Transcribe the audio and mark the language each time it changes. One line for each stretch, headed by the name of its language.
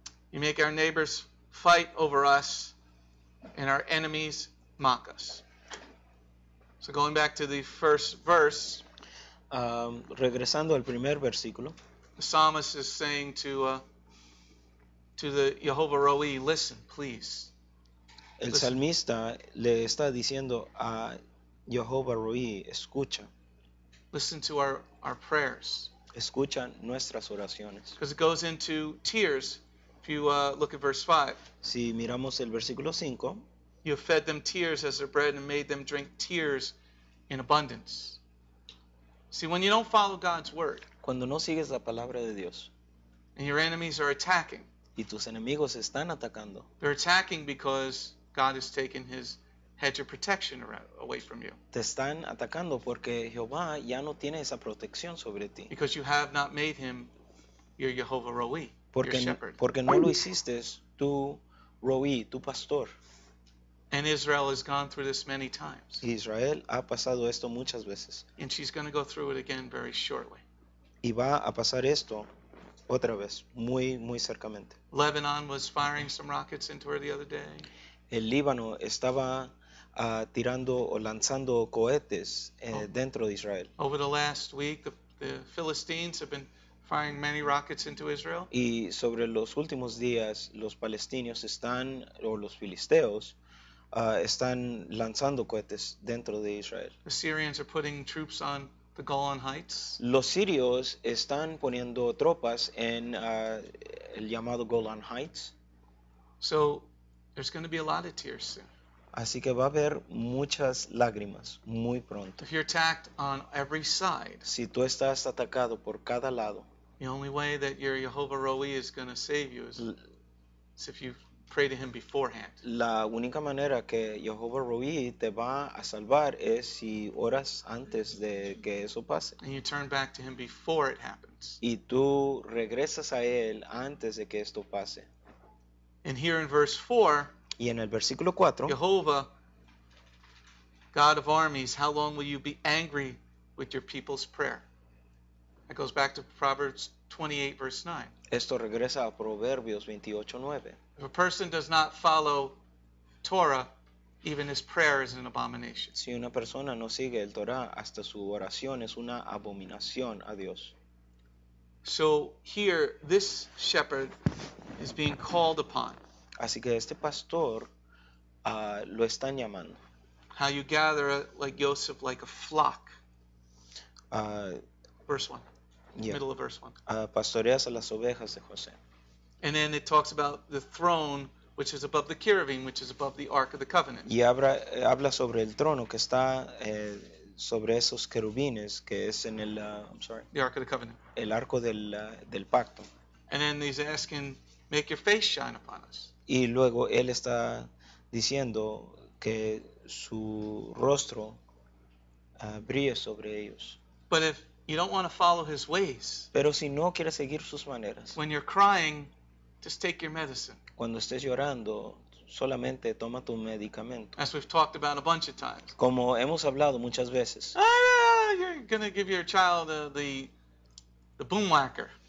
English: You make our neighbors fight over us, and our enemies mock us. So going back to the first verse,
Spanish: Regresando al primer versículo,
English: the psalmist is saying to the Jehovah Roi, listen, please.
Spanish: El salmista le está diciendo a Jehovah Roi, escucha.
English: Listen to our prayers.
Spanish: Escucha nuestras oraciones.
English: Because it goes into tears. If you look at verse 5.
Spanish: Si miramos el versículo 5.
English: You have fed them tears as their bread and made them drink tears in abundance. See, when you don't follow God's word,
Spanish: cuando no sigues la palabra de Dios,
English: and your enemies are attacking,
Spanish: y tus enemigos están atacando,
English: they're attacking because God has taken his hedge of protection away from you.
Spanish: Te están atacando porque Jehová ya no tiene esa protección sobre ti.
English: Because you have not made him your Jehovah Roi, your shepherd.
Spanish: Porque no lo hiciste tu Roi, tu pastor.
English: And Israel has gone through this many times.
Spanish: Israel ha pasado esto muchas veces.
English: And she's going to go through it again very shortly.
Spanish: Y va a pasar esto otra vez, muy, muy cercamente.
English: Lebanon was firing some rockets into her the other day.
Spanish: El Líbano estaba tirando o lanzando cohetes dentro de Israel.
English: Over the last week, the Philistines have been firing many rockets into Israel.
Spanish: Y sobre los últimos días, los palestinos están, o los filisteos, están lanzando cohetes dentro de Israel.
English: The Syrians are putting troops on the Golan Heights.
Spanish: Los sirios están poniendo tropas en el llamado Golan Heights.
English: So there's going to be a lot of tears soon.
Spanish: Así que va a haber muchas lágrimas muy pronto.
English: If you're attacked on every side,
Spanish: si tú estás atacado por cada lado,
English: the only way that your Jehovah Roi is going to save you is if you pray to him beforehand.
Spanish: La única manera que Jehovah Roi te va a salvar es si oras antes de que eso pase.
English: And you turn back to him before it happens.
Spanish: Y tú regresas a él antes de que esto pase.
English: And here in verse 4,
Spanish: y en el versículo 4,
English: Jehovah, God of armies, how long will you be angry with your people's prayer? It goes back to Proverbs 28, verse 9.
Spanish: Esto regresa a Proverbios 28, 9.
English: If a person does not follow Torah, even his prayer is an abomination.
Spanish: Si una persona no sigue el Torah, hasta su oración es una abominación a Dios.
English: So here, this shepherd is being called upon.
Spanish: Así que este pastor lo están llamando.
English: How you gather like Joseph, like a flock. Verse 1. Yeah. Middle of verse 1.
Spanish: Pastoreas a las ovejas de José.
English: And then it talks about the throne, which is above the Kerubim, which is above the Ark of the Covenant.
Spanish: Y habla sobre el trono que está sobre esos querubines, que es en el,
English: the Ark of the Covenant.
Spanish: El arco del pacto.
English: And then he's asking, make your face shine upon us.
Spanish: Y luego él está diciendo que su rostro brille sobre ellos.
English: But if you don't want to follow his ways,
Spanish: pero si no quieres seguir sus maneras,
English: when you're crying, just take your medicine.
Spanish: Cuando estés llorando, solamente toma tu medicamento.
English: As we've talked about a bunch of times.
Spanish: Como hemos hablado muchas veces.
English: Ah, you're going to give your child the boom whacker.